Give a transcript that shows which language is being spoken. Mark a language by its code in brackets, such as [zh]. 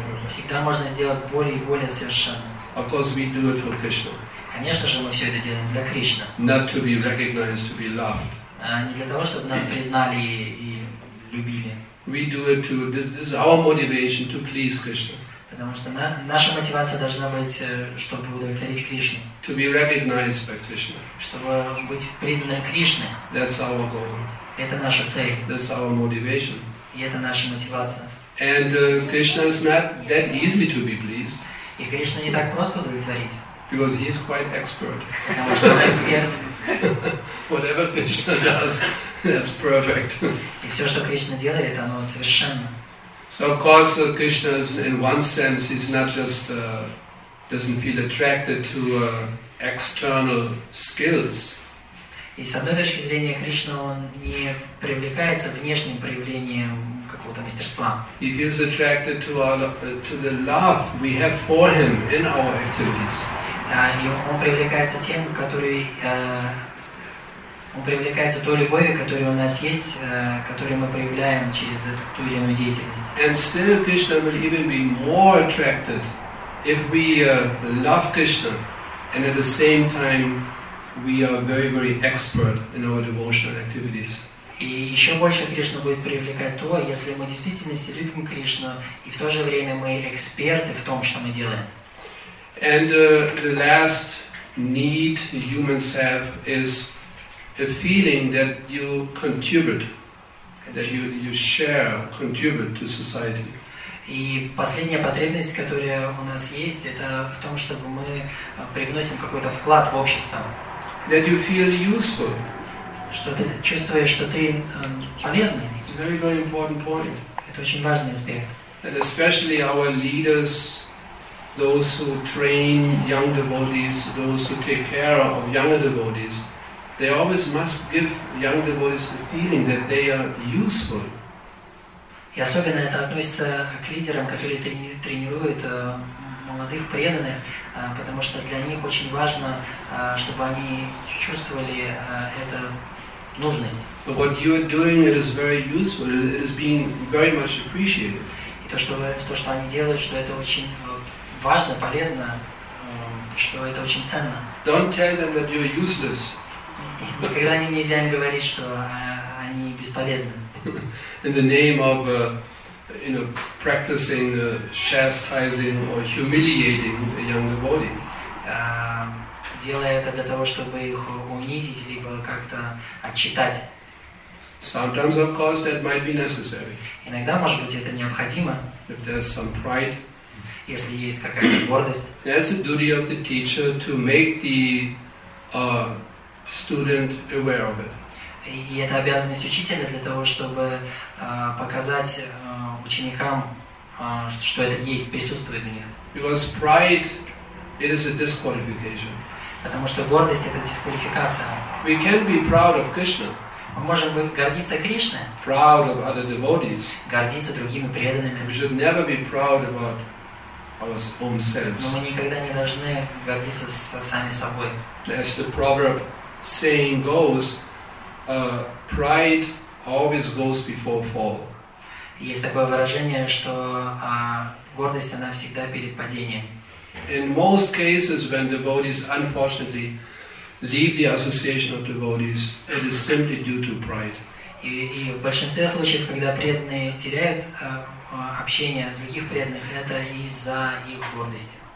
[ru] Всегда можно сделать более и более совершенным. [en] Of course, we do it for Krishna. [ru] Конечно же, мы все это делаем для Кришны. [en] Not to be recognized, to be loved. [ru] Не для того, чтобы нас признали и любили. [en] We do it to this is our motivation to please Krishna. [ru] Потому что наша мотивация должна быть, чтобы удовлетворить Кришну. [en] To be recognized by Krishna. [ru] Чтобы быть признанным Кришной. [en] That's our goal. [ru] Это наша цель. [en] That's our motivation. [ru] И это наша мотивация. [en] And Krishna is not that easy to be pleased. [ru] И Кришна не так просто удовлетворить. [en] Because he is quite expert. [ru] Потому что он эксперт. [en] Whatever Krishna does, that's perfect. [ru] И все, что Кришна делает, оно совершенно. [en] So of course, Krishna, is, in one sense, he's not just doesn't feel attracted to external skills. [ru] И с одной точки зрения Кришна он не привлекается внешним проявлением. [en] He feels attracted to our to the love we have for him in our activities. [ru] Он привлекается тем, который он привлекается той любовью, которая у нас есть, которую мы проявляем через ту или иную деятельность. [en] And still, Krishna will even be more attracted if we love Krishna, and at the same time, we are very, very expert in our devotional activities. [ru] И еще больше Кришна будет привлекать то, если мы в действительности любим Кришну, и в то же время мы эксперты в том, что мы делаем. [en] And the last need humans have is the feeling that you contribute, that you share, contribute to society. [ru] И последняя потребность, которая у нас есть, это в том, чтобы мы привносим какой-то вклад в общество. [en] That you feel useful. [ru] Что ты чувствуешь, что ты полезный. [en] It's a very, very important point. [ru] Это очень важный аспект. [en] And especially our leaders, those who train young devotees, those who take care of younger devotees, they always must give young devotees the feeling that they are useful. [ru] И особенно это относится к лидерам, которые тренируют молодых преданных, потому что для них очень важно, чтобы они чувствовали это. [en] But what you are doing, it is very useful. It is being very much appreciated. [ru] И то, что они делают, что это очень важно, полезно, что это очень ценно. [en] Don't tell them that you're useless. [ru] Никогда нельзя им говорить, что они бесполезны. [en] In the name of you know, practicing chastising or humiliating a young devotee. [ru] Делая это для того, чтобы их унизить либо как-то отчитать. [en] Sometimes, of course, that might be necessary. [ru] Иногда, может быть, это необходимо. [en] If there's some pride. [ru] Если есть какая-то гордость. [en] That's the duty of the teacher to make the student aware of it. [ru] И это обязанность учителя для того, чтобы показать ученикам, что это есть, присутствует в них. [en] Because pride, it is a disqualification. [ru] Потому что гордость — это дисквалификация. [en] We can be proud of Krishna. [ru] Мы можем быть гордиться Кришной. [en] Proud of other devotees. [ru] Гордиться другими преданными. [en] We should never be proud about our own selves. [ru] Но мы никогда не должны гордиться сами собой. [en] As the proverb saying goes, pride always goes before fall. [ru] Есть такое выражение, что гордость она всегда перед падением. [en] In most cases, when devotees unfortunately leave the association of devotees, it is simply due to pride. [ru] И в большинстве случаев, когда преданные теряют общение других преданных, это из-за их гордости.